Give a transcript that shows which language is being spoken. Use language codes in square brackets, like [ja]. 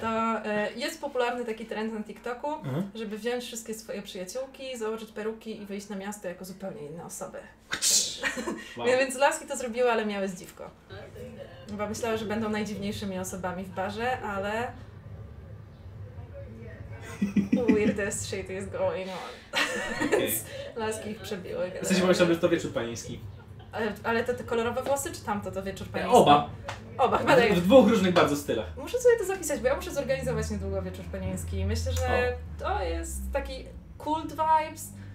[pl] To jest popularny taki trend na TikToku, żeby wziąć wszystkie swoje przyjaciółki, założyć peruki i wyjść na miasto jako zupełnie inne osoby. Wow. Więc laski to zrobiły, ale miały zdziwko. Chyba myślały, że będą najdziwniejszymi osobami w barze, ale... [en] Weirdest shit is going on. [pl] Więc laski ich przebiły. W sensie pomyślałem, że to wieczór pański. Ale te kolorowe włosy, czy tamto to wieczór pański? Oba, chyba tak. W dwóch różnych bardzo stylach. Muszę sobie to zapisać, bo ja muszę zorganizować niedługo wieczór panieński. Myślę, że to jest taki [en] cult vibes.